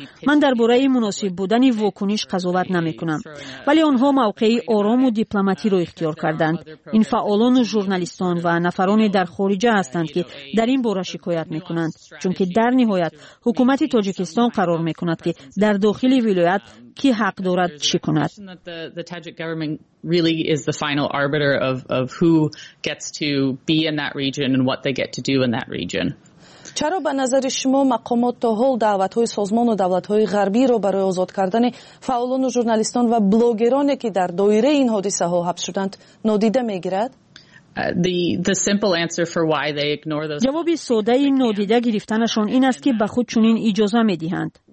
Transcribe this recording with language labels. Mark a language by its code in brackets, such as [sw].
[fa] من در برای مناسب بودن واکنش قضاوت نمی کنم، ولی آنها موقعی آرام و دیپلماتیک را اختیار کردند. این فعالان و ژورنالیستان و نفران در خارجه هستند که در این باره شکایت میکنند، چون که در نهایت حکومت تاجیکستان قرار میکند که در داخل ولایت کی حق دارد چی کند. [en] Really is the final arbiter of who gets to be in that region and what they get to do in that region. [fa] چرا به نظر شما مقامات تا حال دعوت‌های سازمان و دولت‌های غربی را برای آزاد کردن فعالان و ژورنالیستان و بلاگرانی که در دایره این حادثه ها حبس شدند نادیده می‌گیرد؟ جوابی ساده این نادیده گرفتنشان این است که به خود چنین اجازه می‌دهند.